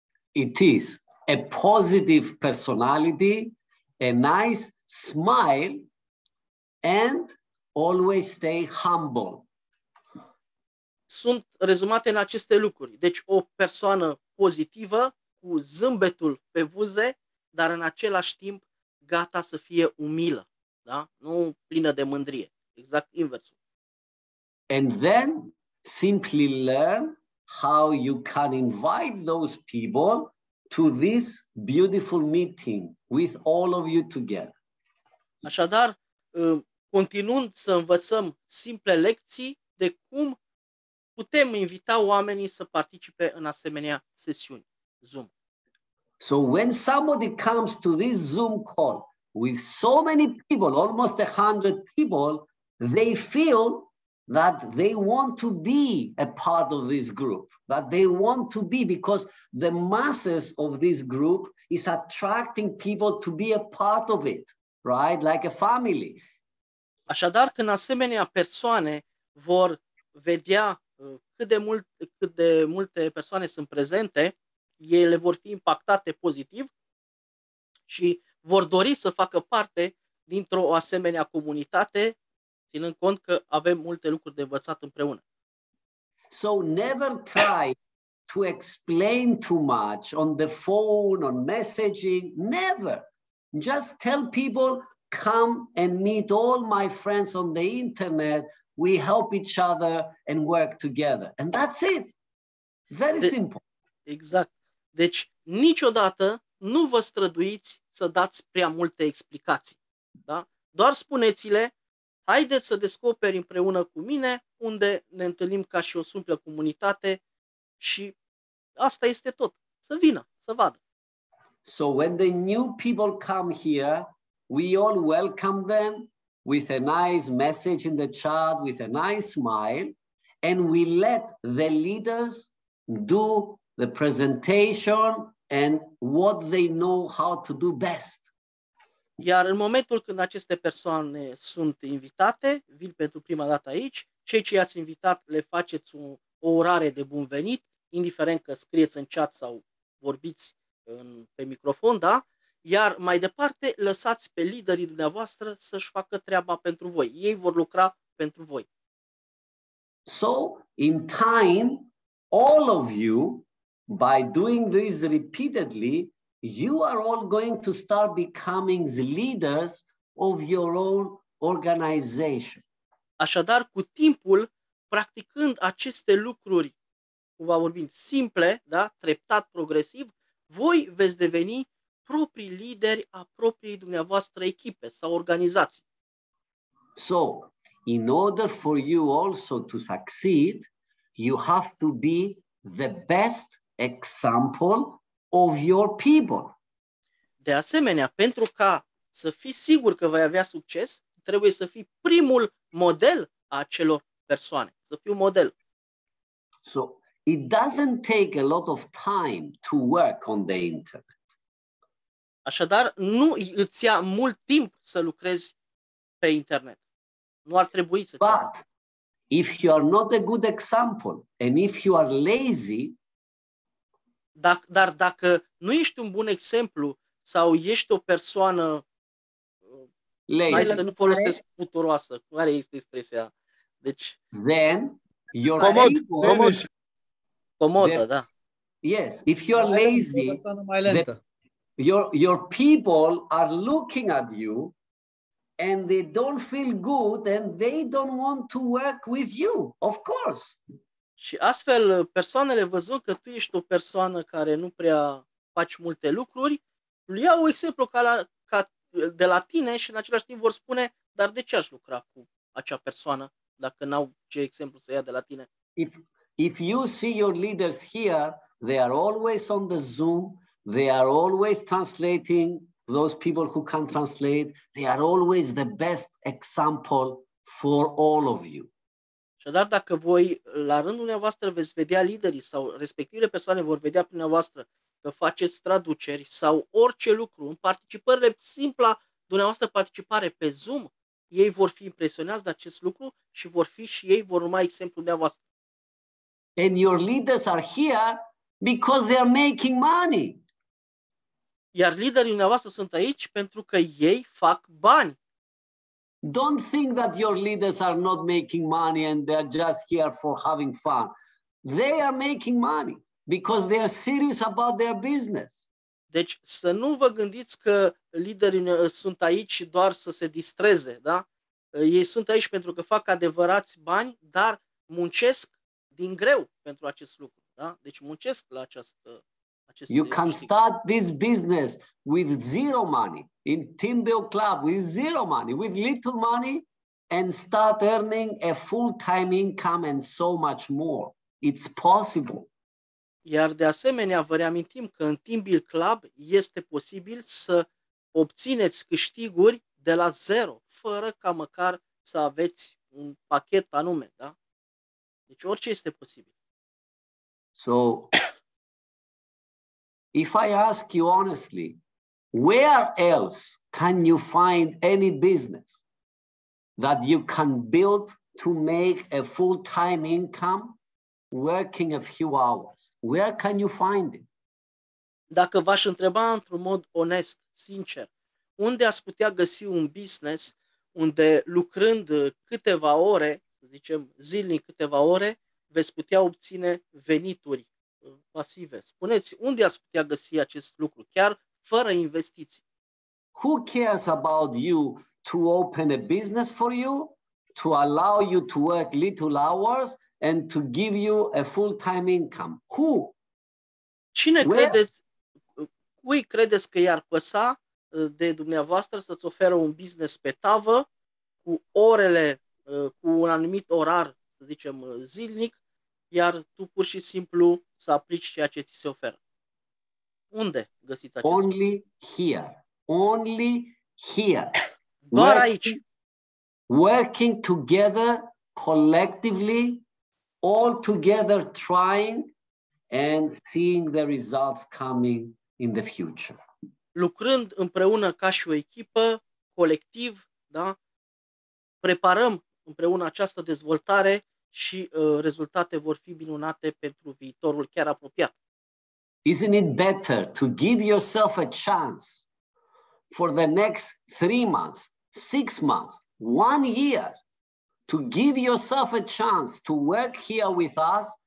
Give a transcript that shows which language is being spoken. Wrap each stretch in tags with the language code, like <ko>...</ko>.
<en>It is a positive personality, a nice smile, and always stay humble.</en> <ro>Sunt rezumate în aceste lucruri. Deci o persoană pozitivă, cu zâmbetul pe buze, dar în același timp gata să fie umilă, da? Nu plină de mândrie, exact inversul.</ro> <en>And then simply learn how you can invite those people to this beautiful meeting with all of you together.</en> <ro>Așadar, continuând să învățăm simple lecții de cum putem invita oamenii să participe în asemenea sesiuni Zoom.</ro> <en>So when somebody comes to this Zoom call with so many people, almost 100 people, they feel that they want to be a part of this group, that they want to be, because the masses of this group is attracting people to be a part of it, right? Like a family.</en> <ro>Așadar, când asemenea persoane vor vedea cât de multe persoane sunt prezente, ele vor fi impactate pozitiv și vor dori să facă parte dintr-o asemenea comunitate, ținând cont că avem multe lucruri de învățat împreună.</ro> <en>So never try to explain too much on the phone, on messaging, never. Just tell people, come and meet all my friends on the internet, we help each other and work together. And that's it. Very simple.</en> <ro>Exact. Deci, niciodată nu vă străduiți să dați prea multe explicații. Da? Doar spuneți-le, haideți să descoperi împreună cu mine unde ne întâlnim ca și o simplă comunitate și asta este tot. Să vină, să vadă.</ro> <en>So when the new people come here, we all welcome them with a nice message in the chat, with a nice smile, and we let the leaders do the presentation and what they know how to do best.</en> <ro>Iar în momentul când aceste persoane sunt invitate, vin pentru prima dată aici, cei ce i-ați invitat le faceți o urare de bun venit, indiferent că scrieți în chat sau vorbiți pe microfon, da? Iar mai departe, lăsați pe liderii dumneavoastră să-și facă treaba pentru voi. Ei vor lucra pentru voi.</ro> <en>So, in time, all of you, by doing this repeatedly, you are all going to start becoming the leaders of your own organization.</en> <ro>Așadar, cu timpul, practicând aceste lucruri, cum va vorbim, simple, da, treptat, progresiv, voi veți deveni proprii lideri a propriei dumneavoastră echipe sau organizații.</ro> <en>So, in order for you also to succeed, you have to be the best example of your people.</en> <ro>De asemenea, pentru ca să fii sigur că vei avea succes, trebuie să fii primul model a acelor persoane, să fii un model.</ro> <en>So, it doesn't take a lot of time to work on the internet.</en> <ro>Așadar, nu îți ia mult timp să lucrezi pe internet. Nu ar trebui să.</ro> <en>But if you are not a good example and if you are lazy,</en> <ro>dar dacă nu ești un bun exemplu sau ești o persoană</ro> <en>lazy,</en> <ro>să nu folosesc puturoasă, care este expresia? Deci</ro> <en>then you're</en> <ro>comodă, da.</ro> <en>Yes, if you are lazy, your people are looking at you and they don't feel good and they don't want to work with you. Of course.</en> <ro>Și astfel persoanele văzând că tu ești o persoană care nu prea faci multe lucruri, iau un exemplu ca de la tine și în același timp vor spune, dar de ce aș lucra cu acea persoană dacă n-au ce exemplu să ia de la tine?</ro> <en>If you see your leaders here, they are always on the Zoom, they are always translating those people who can't translate, they are always the best example for all of you.</en> <ro>Așadar, dacă voi, la rândul dumneavoastră, veți vedea liderii sau respectivele persoane vor vedea prin dumneavoastră că faceți traduceri sau orice lucru, în participările simpla dumneavoastră participare pe Zoom, ei vor fi impresionați de acest lucru și vor fi și ei vor urma exemplul dumneavoastră.</ro> <en>And your leaders are here because they are making money.</en> <ro>Iar liderii dumneavoastră sunt aici pentru că ei fac bani.</ro> <en>Don't think that your leaders are not making money and they are just here for having fun. They are making money because they are serious about their business.</en> <ro>Deci să nu vă gândiți că liderii sunt aici doar să se distreze, da? Ei sunt aici pentru că fac adevărați bani, dar muncesc din greu pentru acest lucru, da? Deci muncesc la acest</ro> <en>You can</en> <ro>știi.</ro> <en>Start this business with zero money in Team Build Club with zero money, with little money and start earning a full-time income and so much more. It's possible.</en> <ro>Iar de asemenea, vă reamintim că în Team Build Club este posibil să obțineți câștiguri de la zero, fără ca măcar să aveți un pachet anume, da? Deci orice este posibil.</ro> <en>So, if I ask you honestly, where else can you find any business that you can build to make a full-time income working a few hours? Where can you find it?</en> <ro>Dacă v-aș întreba într-un mod onest, sincer, unde ați putea găsi un business unde lucrând câteva ore, zicem zilnic câteva ore, veți putea obține venituri pasive. Spuneți, unde ați putea găsi acest lucru, chiar fără investiții?</ro> <en>Who cares about you to open a business for you, to allow you to work little hours and to give you a full-time income? Who?</en> <ro>Cine credeți, cui credeți că i-ar păsa de dumneavoastră să-ți oferă un business pe tavă cu orele, cu un anumit orar, să zicem, zilnic, iar tu pur și simplu să aplici ceea ce ți se oferă. Unde găsiți acest</ro> <en>Only here. Only here.</en> <ro>Doar</ro> <en>working,</en> <ro>aici.</ro> <en>Working together, collectively, all together trying and seeing the results coming in the future.</en> <ro>Lucrând împreună ca și o echipă, colectiv, da? Preparăm împreună această dezvoltare și rezultate vor fi minunate pentru viitorul chiar apropiat.</ro> <en>Isn't it better to give yourself a chance for the next 3 months, 6 months, 1 year to give yourself a chance to work here with us</en>